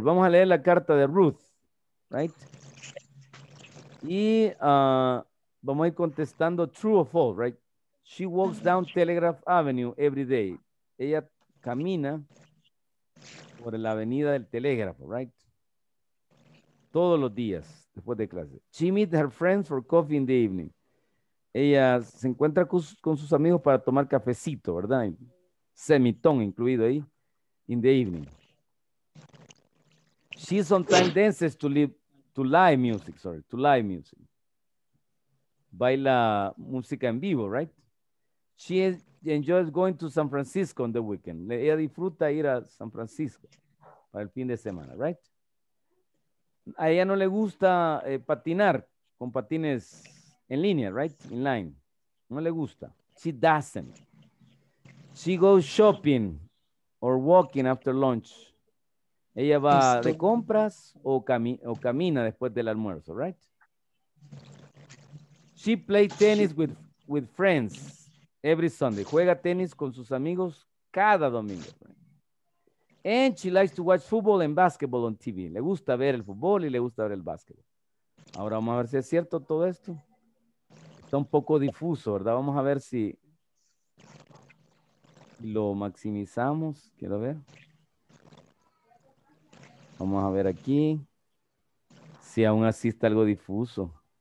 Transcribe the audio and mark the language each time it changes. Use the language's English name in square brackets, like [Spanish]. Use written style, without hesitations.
[Spanish] Vamos a leer la carta de Ruth, [English] right? [Spanish] Y vamos a ir contestando true or false, right? [English] She walks down Telegraph Avenue every day. [Spanish] Ella camina por la avenida del telégrafo, [English] right? [Spanish] Todos los días después de clase. [English] She meets her friends for coffee in the evening. [Spanish] Ella se encuentra con sus amigos para tomar cafecito, ¿verdad? Semitón incluido ahí, [English] in the evening. She sometimes dances to live music. [Spanish] Baila música en vivo, [English] right? She enjoys going to San Francisco on the weekend. [Spanish] Ella disfruta ir a San Francisco para el fin de semana, [English] right? [Spanish] A ella no le gusta patinar con patines en línea, [English] right? In line. [Spanish] No le gusta. [English] She doesn't. She goes shopping or walking after lunch. [Spanish] Ella va de compras o camina después del almuerzo, right? [English] She plays tennis with friends every Sunday. [Spanish] Juega tenis con sus amigos cada domingo. [English] Right? And she likes to watch football and basketball on TV. [Spanish] Le gusta ver el fútbol y le gusta ver el basketball. Ahora vamos a ver si es cierto todo esto. Está un poco difuso, ¿verdad? Vamos a ver si lo maximizamos. Quiero ver. Vamos a ver aquí. Si aún así está algo difuso.